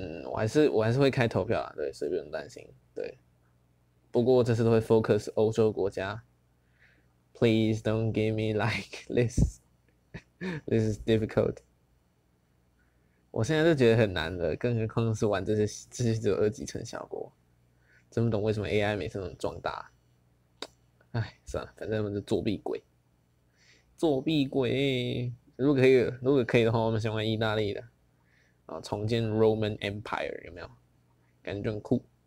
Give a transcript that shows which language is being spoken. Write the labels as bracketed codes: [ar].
[zh] 我还是会开投票啊，对，所以不用担心，对。不过这次都会 focus 欧洲国家。 [en] Please don't give me like this. This is difficult. [zh] 我现在就觉得很难了，更何况是玩这些只有二级城小国，真不懂为什么 AI 每次都能壮大。哎，算了，反正他们是作弊鬼，作弊鬼。如果可以的话，我们想玩意大利的。啊，重建 Roman Empire 有没有？感觉就很酷。